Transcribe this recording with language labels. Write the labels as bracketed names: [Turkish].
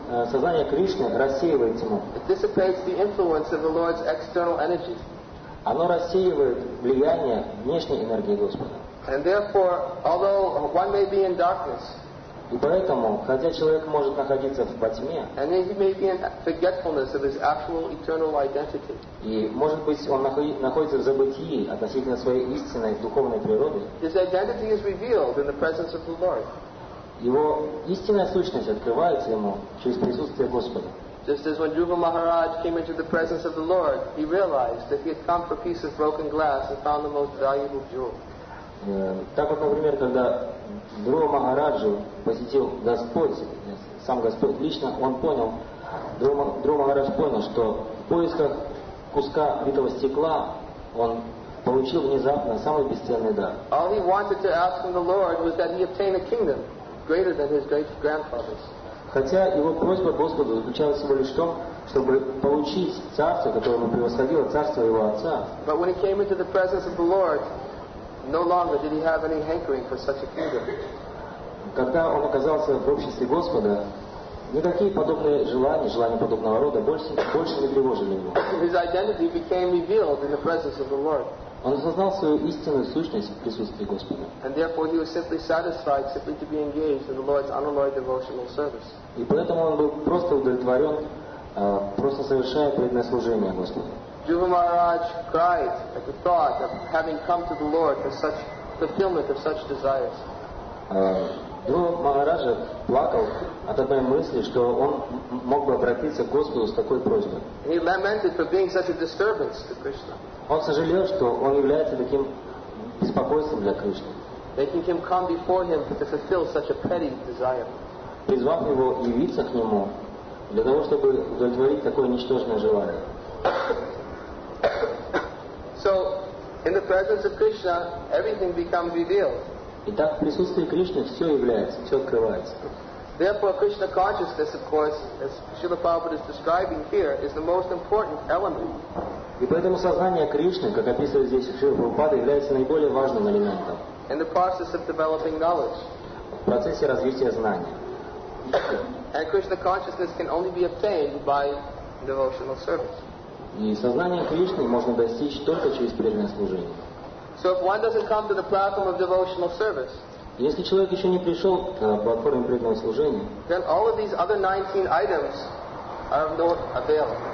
[Russian] Сознание Кришны рассеивает тьму. [English] It dissipates the influence of the Lord's external energy. [Russian] Оно рассеивает влияние внешней энергии Господа. [English] And therefore, although one may be in darkness, [Russian] и поэтому, хотя человек может находиться во тьме, [English] and he may be in forgetfulness of his actual eternal identity, [Russian] и, может быть, он находится в забытии относительно своей истинной духовной природы, [English] his identity is revealed in the presence of the Lord. [Russian] Его истинная сущность открывается ему через присутствие Господа. [English] Just as when Dhruva Maharaj came into the presence of the Lord, he realized that he had come for a piece of broken glass and found the most valuable jewel. [Russian] Так вот, например, когда Друва Махараджу посетил Господь, сам Господь лично, он понял, Друва Махарадж понял, что в поисках куска битого стекла он получил внезапно самый бесценный дар. [English] All he wanted to ask from the Lord was that he obtain a kingdom greater than his great grandfather's. [Russian] Хотя его просьба Господу заключалась всего лишь в том, чтобы получить царство, которое превосходило царство его отца. [English] But when he came into the presence of the Lord, no longer did he have any hankering for such a kingdom. [Russian] Когда он оказался в обществе Господа, никакие подобные желания подобного рода больше не тревожили его. [English] His identity became revealed in the presence of the Lord. [Russian] Он осознал свою истинную сущность в присутствии Господа. [English] And therefore he was simply satisfied simply to be engaged in the Lord's unalloyed devotional service. [Russian] И поэтому он был просто удовлетворен, просто совершая преданное служение Господу. [English] Dhruva Maharaj cried at the thought of having come to the Lord for such fulfillment of such desires. [Russian] Dhruva Maharaj плакал от одной мысли, что он мог бы обратиться к Господу с такой просьбой. [English] He lamented for being such a disturbance to Krishna. [Russian] Он сожалел, что он является таким беспокойством для Кришны. [English] Making him come before him to fulfill such a petty desire. [Russian] Призвав его явиться к нему для того, чтобы удовлетворить такое ничтожное желание. [English] So, in the presence of Krishna, everything becomes revealed. [Russian] Итак, в присутствии Кришны все является, все открывается. [English] Therefore, Krishna consciousness, of course, as Srila Prabhupada is describing here, is the most important element. [Russian] И поэтому сознание Кришны, как описывает здесь Шрила Прабхупада, является наиболее важным элементом. [English] In the process of developing knowledge. [Russian] В процессе развития знания. [English] And Krishna consciousness can only be obtained by devotional service. [Russian] И сознание Кришны можно достичь только через преданное служение. [English] So if one doesn't come to the platform of devotional service, [Russian] если человек еще не пришел к платформе преданного служения, [English] then all of these other 19 items are of no avail.